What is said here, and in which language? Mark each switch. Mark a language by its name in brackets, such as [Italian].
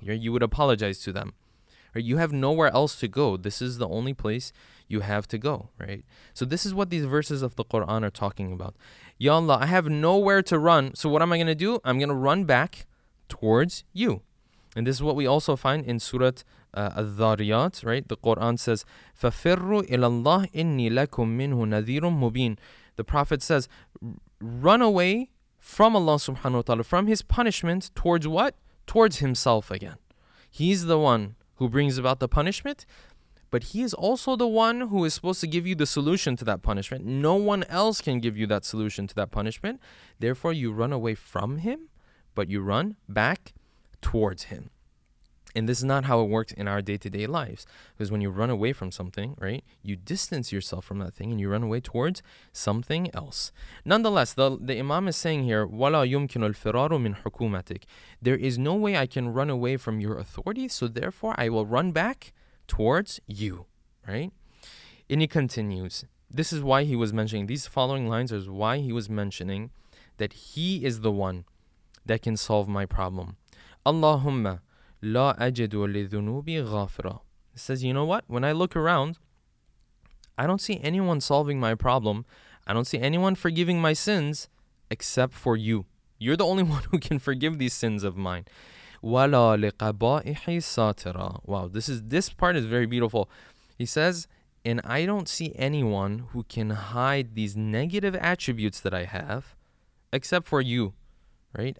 [English] You would apologize to them. Right? You have nowhere else to go. This is the only place you have to go, right? So this is what these verses of the Quran are talking about. Ya Allah, I have nowhere to run. So what am I going to do? I'm going to run back towards you. And this is what we also find in Surah Al-Dhariyat, right? The Quran says, [Arabic] فَفِرُّوا إِلَى اللَّهِ إِنِّي لَكُم مِّنْهُ نَذِيرٌ مُّبِينٌ. [English] The Prophet says, run away from Allah subhanahu wa ta'ala, from his punishment towards what? Towards himself again. He's the one who brings about the punishment, but he is also the one who is supposed to give you the solution to that punishment. No one else can give you that solution to that punishment. Therefore, you run away from him, but you run back towards him. And this is not how it works in our day-to-day lives. Because when you run away from something, right, you distance yourself from that thing and you run away towards something else. Nonetheless, the Imam is saying here, [Arabic] وَلَا يُمْكِنُ الْفِرَارُ مِنْ حُكُومَتِكَ. [English] There is no way I can run away from your authority, so therefore I will run back towards you, right? And he continues. This is why he was mentioning, these following lines is why he was mentioning that he is the one that can solve my problem. [Arabic] اللهم لا أجد لذنوبي غافرا. [English] It says, you know what? When I look around, I don't see anyone solving my problem. I don't see anyone forgiving my sins except for you. You're the only one who can forgive these sins of mine. [Arabic] ولا لقبائحي ساترا. [English] Wow, this part is very beautiful. He says, and I don't see anyone who can hide these negative attributes that I have except for you. Right?